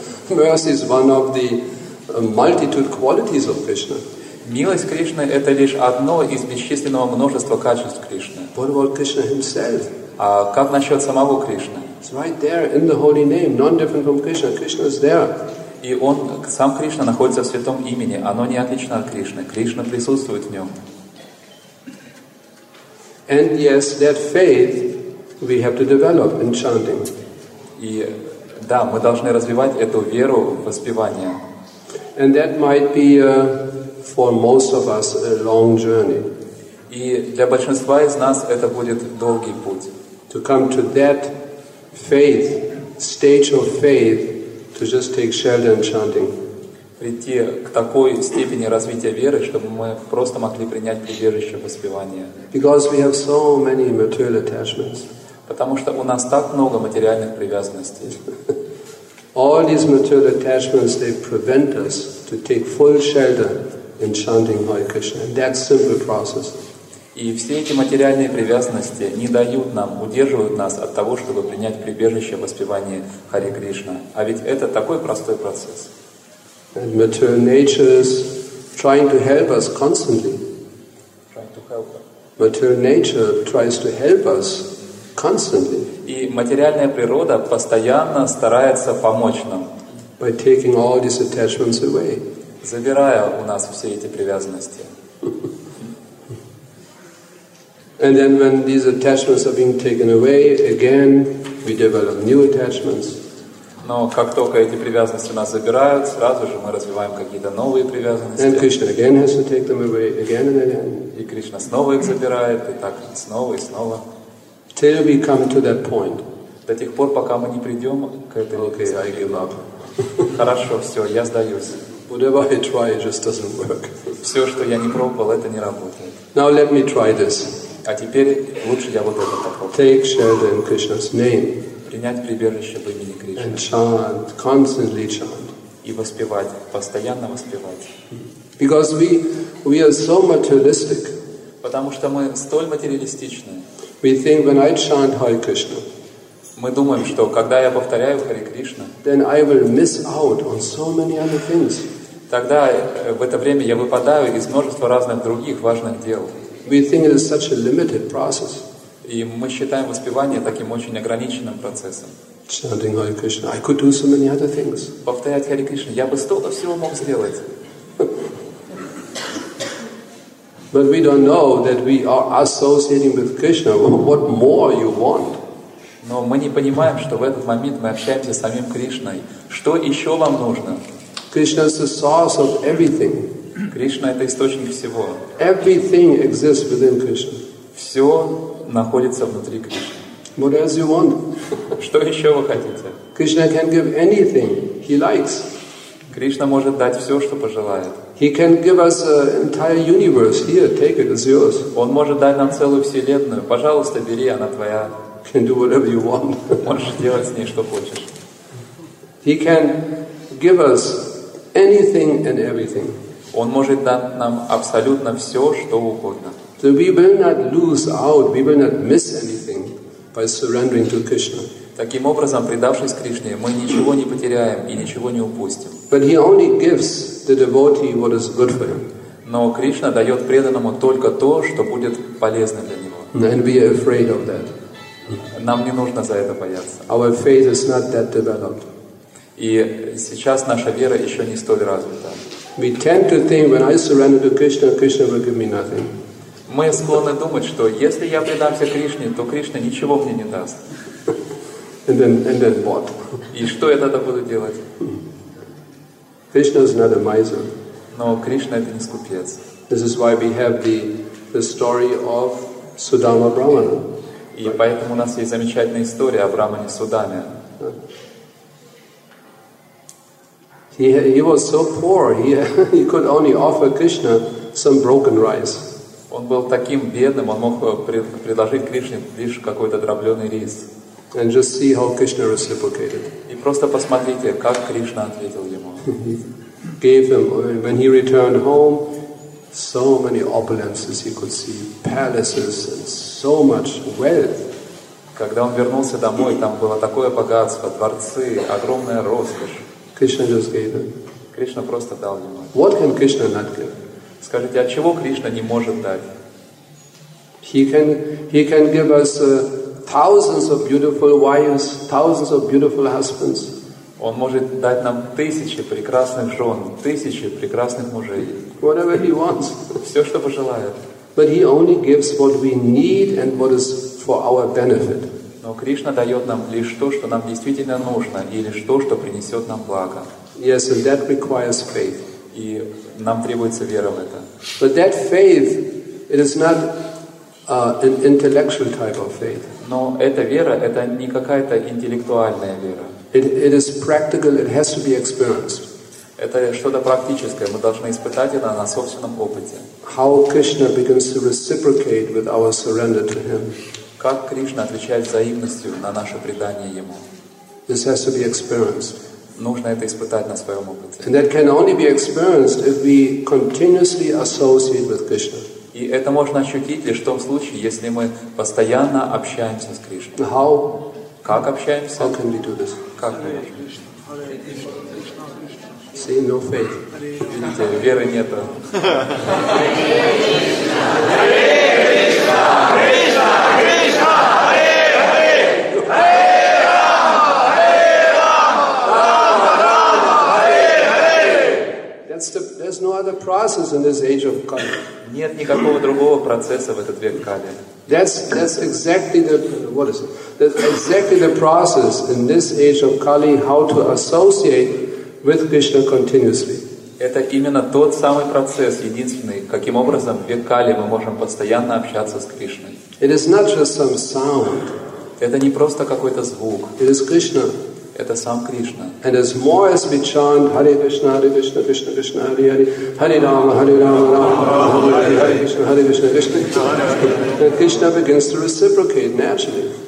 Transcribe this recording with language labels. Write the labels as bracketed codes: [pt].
[en] Mercy is one of the multitude qualities of Krishna. [ru] Милость Кришны — это лишь одно из бесчисленного множества качеств Кришны. [en] What about Krishna himself? [ru] А как насчет самого Кришны? [en] It's right there in the holy name, non different from Krishna. Krishna is there. [ru] И он сам Кришна находится в святом имени. Оно не отлично от Кришны. Кришна присутствует в нем. [en] And yes, that faith we have to develop in chanting. [ru] И да, мы должны развивать эту веру в воспевании. [en] And that might be for most of us a long journey. [ru] И для большинства из нас это будет долгий путь. [en] To come to that faith, stage of faith, to just take shelter in chanting. [ru] Прийти к такой степени развития веры, чтобы мы просто могли принять прибежище воспевания. [en] Because we have so many material attachments. [ru] Потому что у нас так много материальных привязанностей. [en] All these material attachments, they prevent us to take full shelter in chanting Hare Krishna. And that's simple process. [ru] И все эти материальные привязанности не дают нам, удерживают нас от того, чтобы принять прибежище в воспевании Харе Кришна. А ведь это такой простой процесс. [en] And material nature is trying to help us constantly. Trying to help us. Material nature tries to help us constantly. [ru] И материальная природа постоянно старается помочь нам. [en] By taking all these attachments away. [ru] Забирая у нас все эти привязанности. [en] And then when these attachments are being taken away, again, we develop new attachments. [ru] Но как только эти привязанности нас забирают, сразу же мы развиваем какие-то новые привязанности. [en] And Krishna again has to take them away, again and again. [ru] И Кришна снова их забирает, и так снова и снова. [en] Till we come to that point. [ru] До тех пор, пока мы не придем к этой [en] Okay, I give up. [ru] Хорошо, все, я сдаюсь. [en] Whatever I try, it just doesn't work. [ru] Все, что я не пробовал, это не работает. [en] Now let me try this. [ru] А теперь лучше я вот это попробую. [en] Take shelter in Krishna's name. [ru] Принять прибежище в имени Кришны. [en] And chant, constantly chant. [ru] И воспевать, постоянно воспевать. [en] Because we are so materialistic. [ru] Потому что мы столь материалистичны. [en] We think when I chant Hare Krishna. [ru] Мы думаем, что когда я повторяю Харе Кришна, [en] then I will miss out on so many other things. [ru] Тогда в это время я выпадаю из множества разных других важных дел. [en] We think it is such a limited process. [ru] И мы считаем воспевание таким очень ограниченным процессом. [en] Chanting Hare Krishna, I could do so many other things. [ru] Повторять Харе Кришна, я бы столько всего мог сделать. [en] But we don't know that we are associating with Krishna. What more you want? [ru] Но мы не понимаем, что в этот момент мы общаемся с самим Кришной. Что еще вам нужно? [en] Krishna is the source of everything. [ru] Кришна — это источник всего. [en] Everything exists within Krishna. [ru] Все находится внутри Кришны. [en] What else you want? [ru] Что еще вы хотите? [en] Krishna can give anything he likes. [ru] Кришна может дать все, что пожелает. [en] He can give us an entire universe. Here, take it, it's yours. [ru] Он может дать нам целую вселенную. Пожалуйста, бери, она твоя. [en] Can do whatever you want. [ru] Можешь делать с ней что хочешь. [en] He can give us anything and everything. [ru] Он может дать нам абсолютно все, что угодно. [en] So we will not lose out, we will not miss anything by surrendering to Krishna. [ru] Таким образом, предавшись Кришне, мы ничего не потеряем и ничего не упустим. [en] But he only gives the devotee what is good for him. [ru] Но Кришна дает преданному только то, что будет полезно для него. [en] And we are afraid of that. [ru] Нам не нужно за это бояться. [en] Our faith is not that developed. [ru] И сейчас наша вера еще не столь развита. [en] We tend to think when I surrender to Krishna, Krishna will give me nothing. [ru] Мы склонны думать, что если я предамся Кришне, то Кришна ничего мне не даст. [en] And then what? [ru] И что я тогда буду делать? [en] Krishna is not a miser. [ru] Но Кришна — это не скупец. [en] This is why we have the story of Sudama Brahmana. [ru] И поэтому у нас есть замечательная история о Брахмане Судаме. [en] He was so poor, he could only offer Krishna some broken rice. [ru] Он был таким бедным, он мог предложить Кришне лишь какой-то дробленый рис. [en] And just see how Krishna reciprocated. [ru] И просто посмотрите, как Кришна ответил ему. [en] Gave him, when he returned home, so many opulences he could see, palaces and so much wealth. [ru] Когда он вернулся домой, там было такое богатство, дворцы, огромная роскошь. [en] Krishna just gave him. [ru] Кришна просто дал ему. [en] What can Krishna not give? [ru] Скажите, от чего Кришна не может дать? [en] He can give us thousands of beautiful wives, thousands of beautiful husbands. [ru] Он может дать нам тысячи прекрасных жен, тысячи прекрасных мужей. [en] Whatever he wants. [ru] Все, что пожелает. [en] But he only gives what we need and what is for our benefit. [ru] Но Кришна дает нам лишь то, что нам действительно нужно, или то, что принесет нам благо. [en] Yes, and that requires faith. [ru] И нам требуется вера в это. [en] But that faith, it is not an intellectual type of faith. [ru] Но эта вера, это не какая-то интеллектуальная вера. [en] It is practical, it has to be experienced. [ru] Это что-то практическое, мы должны испытать это на собственном опыте. [en] How Krishna begins to reciprocate with our surrender to Him. [ru] Как Кришна отвечает взаимностью на наше предание Ему. [en] This has to be experienced. [ru] Нужно это испытать на своем опыте. [en] And that can only be experienced if we continuously associate with Krishna. [ru] И это можно ощутить лишь в том случае, если мы постоянно общаемся с Кришной. [en] How? [ru] Как общаемся? [en] How can we do this? [ru] Как мы можем? [en] See, no faith. [ru] Видите, веры нет. [en] There's no other process in this age of Kali. [ru] Нет никакого другого процесса в этот век Кали. [en] That's exactly the what is it? That's exactly the process in this age of Kali how to associate with Krishna continuously. [ru] Это именно тот самый процесс, единственный, каким образом в век Кали мы можем постоянно общаться с Кришной. [en] It is not just some sound. [ru] Это не просто какой-то звук. [en] It is Krishna. [ru] Это сам Кришна. [en] And as more as we chant Hare Krishna, Hare Krishna, Krishna Krishna, Hare Hare, Hare Rama, Hare Rama, Rama Hare, Hare, Hare, Hare, Hare, Hare, Hare, Hare, Hare, Hare Krishna, Hare Krishna, Krishna Krishna, Krishna begins to reciprocate naturally.